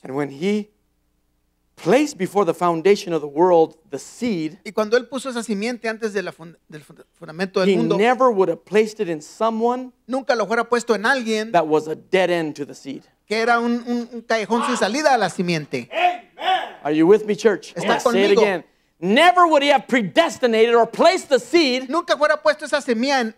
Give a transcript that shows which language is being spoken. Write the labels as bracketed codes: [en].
[en] And when he placed before the foundation of the world the seed. [es] Y cuando él puso esa simiente antes de la del fundamento del [en] he [es] mundo. [en] He never would have placed it in someone. [es] Nunca lo hubiera puesto en alguien. [en] That was a dead end to the seed. [es] Que era un callejón sin salida a la simiente. [en] Amen. Are you with me, church? [es] Está conmigo. [en] Say it again. never would he have predestinated or placed the seed [es] nunca fuera puesto esa semilla en